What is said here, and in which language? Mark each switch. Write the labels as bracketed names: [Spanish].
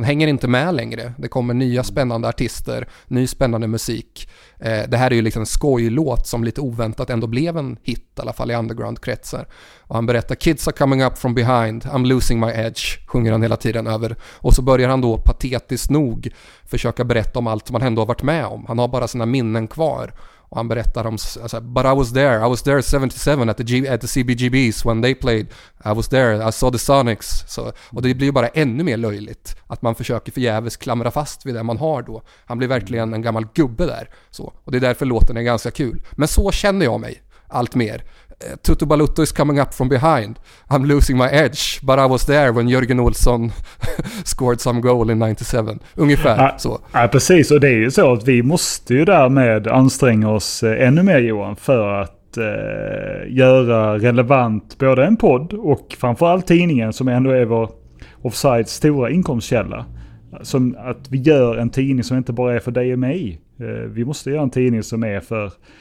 [Swedish] Han hänger inte med längre. Det kommer nya spännande artister, ny spännande musik. Det här är ju liksom en skojlåt som lite oväntat ändå blev en hit, i alla fall i underground-kretsar. Och han berättar, [English] kids are coming up from behind, I'm losing my edge, [Swedish] sjunger han hela tiden över. Och så börjar han då patetiskt nog försöka berätta om allt som han ändå har varit med om. Han har bara sina minnen kvar. Och han berättar om, alltså, [English] but I was there 77 at the CBGBs when they played, I was there, I saw the Sonics. [Swedish] Så, och det blir ju bara ännu mer löjligt att man försöker förgäves klamra fast vid det man har då. Han blir verkligen en gammal gubbe där. Så, och det är därför låten är ganska kul. Men så känner jag mig allt mer. [English] Tutu Balutto is coming up from behind, I'm losing my edge, but I was there when Jörgen Olsson scored some goal in 97. [Swedish] Ungefär så. Ja, precis, och det är ju så att vi måste ju därmed anstränga oss ännu mer, Johan, för att göra relevant både en podd och framförallt tidningen, som ändå är vår Offsides stora inkomstkälla. Som att vi gör en tidning som inte bara är för dig och mig. Vi måste göra en tidning som är för